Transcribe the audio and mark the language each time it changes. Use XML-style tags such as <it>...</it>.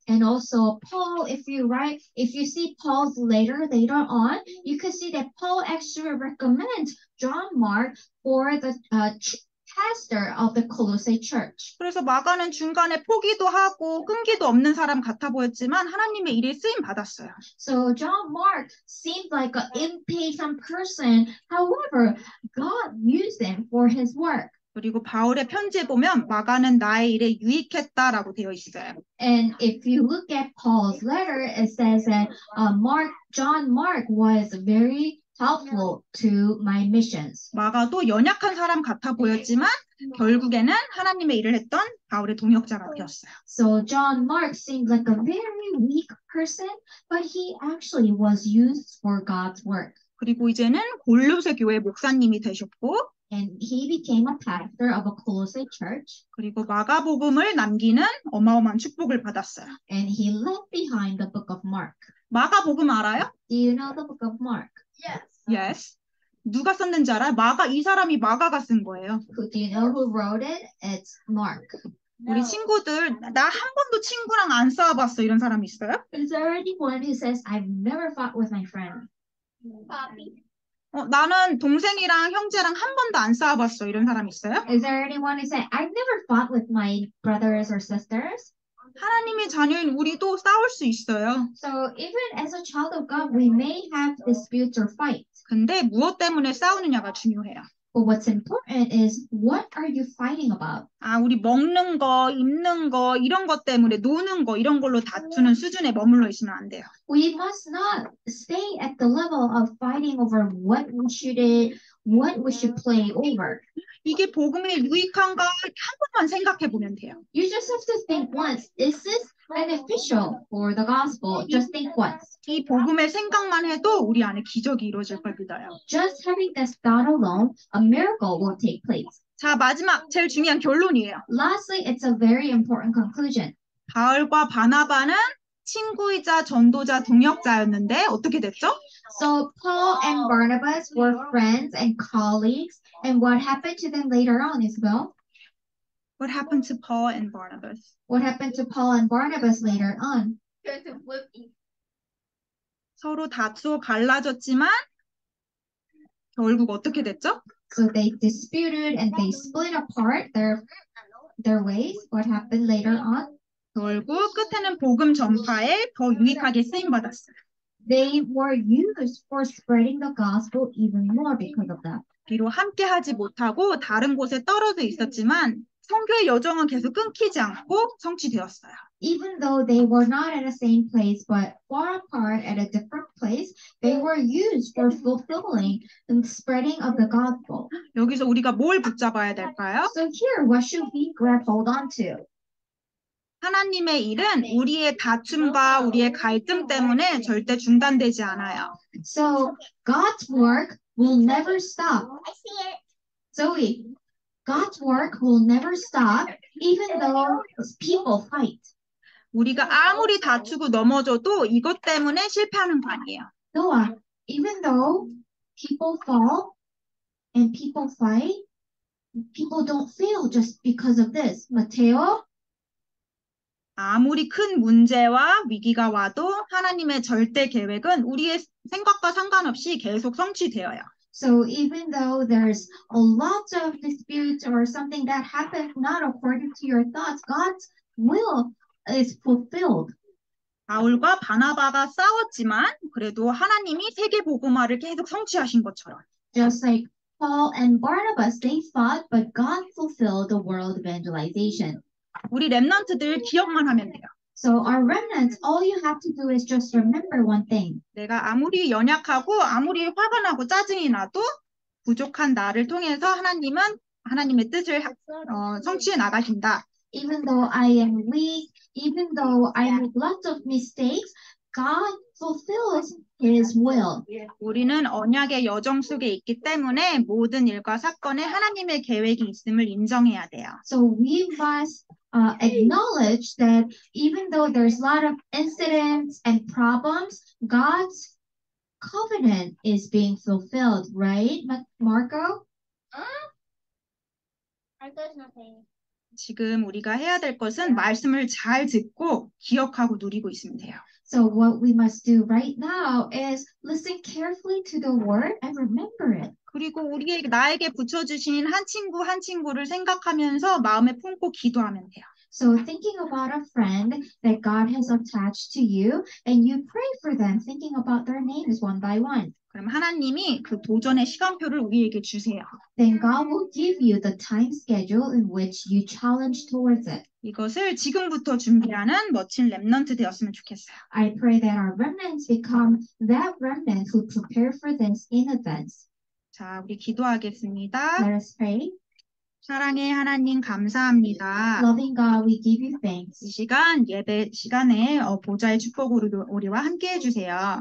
<en>And also Paul, if you see Paul's letter later on, you can see that Paul actually recommends John Mark for the pastor of the Colossae church.</en> <ko>그래서 마가는 중간에 포기도 하고 끈기도 없는 사람 같아 보였지만 하나님의 일에 쓰임 받았어요.</ko> <en>So John Mark seemed like an impatient person. However, God used him for his work.</en> <ko>그리고 바울의 편지에 보면 마가는 나의 일에 유익했다라고 되어 있어요.</ko> <en>And if you look at Paul's letter, it says that John Mark was very helpful to my missions.</en> <ko>마가도 연약한 사람 같아 보였지만 결국에는 하나님의 일을 했던 바울의 동역자가 되었어요.</ko> <en>So John Mark seemed like a very weak person, but he actually was used for God's work.</en> <ko>그리고 이제는 골로새 교회 목사님이 되셨고</ko> <en>and he became a pastor of a Colossae church.</en> <ko>그리고 마가복음을 남기는 어마어마한 축복을 받았어요.</ko> <en>And he left behind the book of Mark.</en> <ko>마가복음 알아요?</ko> <en>Do you know the book of Mark? Yes. Yes.</en> <ko>누가 썼는지 알아? 마가 이 사람이 마가가 쓴 거예요.</ko> <en>Do you know who wrote it? It's Mark.</en> <ko>우리 친구들 나 한 번도 친구랑 안 싸워봤어 이런 사람 있어요?</ko> <en>Is there anyone who says I've never fought with my friend? Bobby.</en> <ko>나는 동생이랑 형제랑 한 번도 안 싸워봤어 이런 사람 있어요?</ko> <en>Is there anyone who says I've never fought with my brothers or sisters?</en> <ko>하나님의 자녀인 우리도 싸울 수 있어요.</ko> <en>So even as a child of God, we may have disputes or fights.</en> <ko>근데 무엇 때문에 싸우느냐가 중요해요.</ko> <en>But what's important is what are you fighting about?</en> <ko>아, 우리 먹는 거, 입는 거, 이런 것 때문에 노는 거 이런 걸로 다투는 수준에 머물러 있으면 안 돼요.</ko> <en>We must not stay at the level of fighting over what we should eat, what we should play over.</en> <ko>이게 복음에 유익한가 한 번만 생각해 보면 돼요.</ko> <en>You just have to think once. Is this beneficial for the gospel? Just think once.</en> <ko>이 복음의 생각만 해도 우리 안에 기적이 이루어질 걸 믿어요.</ko> <en>Just having this thought alone, a miracle will take place.</en> <ko>자, 마지막 제일 중요한 결론이에요.</ko> <en>Lastly, it's a very important conclusion.</en> <ko>바울과 바나바는 친구이자 전도자 동역자였는데 어떻게 됐죠?</ko> <en>So Paul and Barnabas were friends and colleagues. And what happened to them later on, Isabel? What happened to Paul and Barnabas? What happened to Paul and Barnabas later on?</en> <ko>서로 다투어 갈라졌지만 결국 어떻게 됐죠?</ko> <en>So they disputed and they split apart their ways. What happened later on?</en> <ko>결국 끝에는 복음 전파에 더 유익하게 쓰임 받았어요.</ko> <en>They were used for spreading the gospel even more because of that.</en> <ko>비록 함께 하지 못하고 다른 곳에 떨어져 있었지만 선교의 여정은 계속 끊기지 않고 성취되었어요.</ko> <en>even though they were not at the same place, but far apart at a different place, they were used for fulfilling the spreading of the gospel.</en> <ko>여기서 우리가 뭘 붙잡아야 될까요?</ko> <en>So here, what should we grab hold on to?</en> <ko>하나님의 일은 우리의 다툼과 우리의 갈등 때문에 절대 중단되지 않아요.</ko> <en>So God's work will never stop. I see it. Zoe, God's work will never stop even though people fight.</en> <ko>우리가 아무리 다투고 넘어져도 이것 때문에 실패하는 거 아니에요.</ko> <en>Noah, even though people fall and people fight, people don't fail just because of this. Mateo,</en> <ko>아무리 큰 문제와 위기가 와도 하나님의 절대 계획은 우리의 생각과 상관없이 계속 성취되어요.</ko> <en>So even though there's a lot of disputes or something that happened not according to your thoughts, God's will is fulfilled.</en> <ko>바울과 바나바가 싸웠지만 그래도 하나님이 세계복음화를 계속 성취하신 것처럼.</ko> <en>Just like Paul and Barnabas, they fought, but God fulfilled the world evangelization.</en> <ko>우리 렘넌트들 기억만 하면 돼요.</ko> <en>So our remnants, all you have to do is just remember one thing.</en> <ko>내가 아무리 연약하고 아무리 화가 나고 짜증이 나도 부족한 나를 통해서 하나님은 하나님의 뜻을 성취해 나가신다.</ko> <en>Even though I am weak, even though I make lots of mistakes, God fulfills His will.</en> <ko>우리는 언약의 여정 속에 있기 때문에 모든 일과 사건에 하나님의 계획이 있음을 인정해야 돼요.</ko> <en>So we must acknowledge that even though there's a lot of incidents and problems, God's covenant is being fulfilled, right, Marco? Marco's not saying.</en> <ko>지금 우리가 해야 될 것은 말씀을 잘 듣고 기억하고 누리고 있으면 돼요.</ko> <en>So what we must do right now is listen carefully to the word and remember it.</en> <ko>그리고 우리에게 나에게 붙여주신 한 친구 한 친구를 생각하면서 마음에 품고 기도하면 돼요.</ko> <en>So thinking about a friend that God has attached to you and you pray for them, thinking about their names one by one.</en> <ko>그럼 하나님이 그 도전의 시간표를 우리에게 주세요.</ko> <en>Then God will give you the time schedule in which you challenge towards it.</en> <ko>이것을 지금부터 준비하는 멋진 렘넌트 되었으면 좋겠어요.</ko> <en>I pray that our remnants become that remnant who prepare for this in advance.</en> <ko>자, 우리 기도하겠습니다.</ko> <en>Let us pray.</en> <ko>사랑해 하나님 감사합니다.</ko> <en>Loving God, we give you thanks.</en> <ko>이 시간 예배 시간에 보좌의 축복으로 우리와 함께 해주세요.</ko>